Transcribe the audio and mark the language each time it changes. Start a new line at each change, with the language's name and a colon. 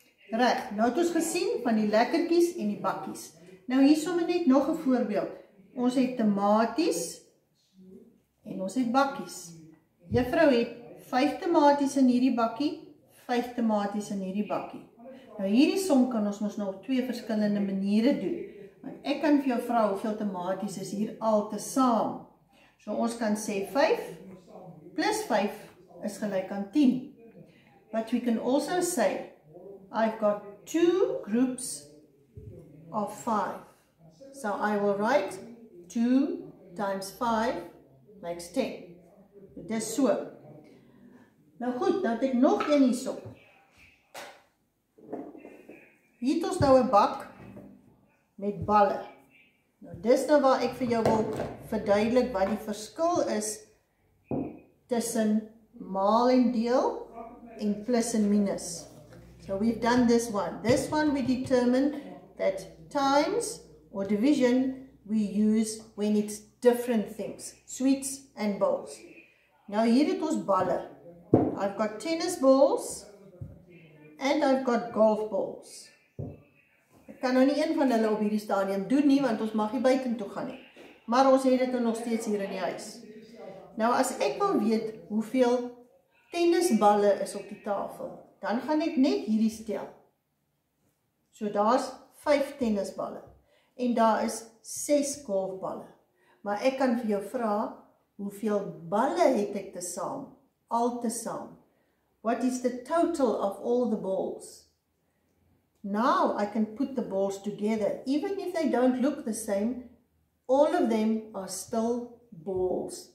Afrikaans: Reg, nou het ons gesien van die lekkertjies en die bakkies. Nou hier sommer net nog 'n voorbeeld. Ons het tamaties en ons het bakkies. Juffrou het 5 tamaties in hierdie bakkie, 5 tamaties in hierdie bakkie. Nou hierdie som kan ons mos nou op 2 verskillende maniere doen. Want ek kan vir jou vra hoeveel tamaties is hier al te saam. So ons kan sê 5 plus 5 is gelyk aan 10.
English: But we can also say, I've got 2 groups of 5. So I will write 2 times 5. Makes 10.
Afrikaans: Dit is so. Nou goed, dan het ek nog een hierso. Hier het ons nou 'n bak met balle. Nou, dis nou waar ek vir jou wil verduidelik wat die verskil is tussen maal en deel en plus en minus.
English: So we've done this one. This one we determine that times or division we use when it's different things, sweets and balls.
Afrikaans: Nou hier het ons balle.
English: I've got tennis balls and I've got golf balls.
Afrikaans: Ek kan nou nie een van hulle op hierdie stadium doen nie, want ons mag nie buiten toe gaan nie. Maar ons het dit nog steeds hier in die huis. Nou as ek wil weet hoeveel tennisballe is op die tafel, dan gaan ek net hierdie stel. So daar's 5 tennisballe en daar is 6 golfballe. Maar ek kan vir jou vra, hoeveel balle het ek te saam? Al te saam.
English: What is the total of all the balls? Now I can put the balls together. Even if they don't look the same, all of them are still balls.